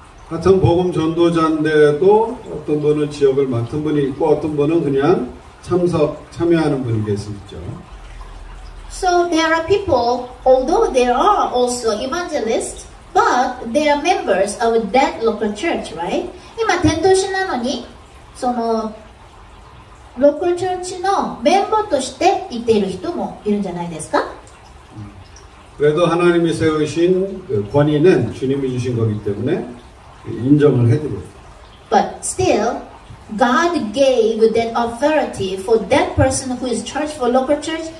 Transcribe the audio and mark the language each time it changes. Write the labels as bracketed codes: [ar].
[ko] 같은 복음 전도자인데도 어떤 분은 지역을 맡은 분이 있고 어떤 분은 그냥 참여하는 분이 계시죠. [en] So there are people, although there are also evangelists, but they are members of that local church, right? [ja] 今伝道師なのにそのロカルチャーチのメンバーとしていている人もいるんじゃないですか。 [ko] 그래도 하나님이 세우신 그 권위는 주님이 주신 거기 때문에 인정을 해드려요. [en] But still, God gave that authority for that person who is charged for local church.